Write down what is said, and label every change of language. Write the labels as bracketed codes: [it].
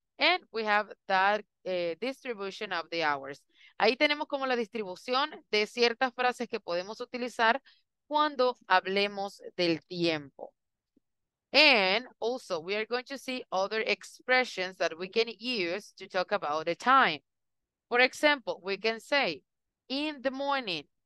[en] And we have that distribution of the hours. [es] Ahí tenemos como la distribución de ciertas frases que podemos utilizar cuando hablemos del tiempo. [en] And also, we are going to see other expressions that we can use to talk about the time. For example, we can say, in the morning.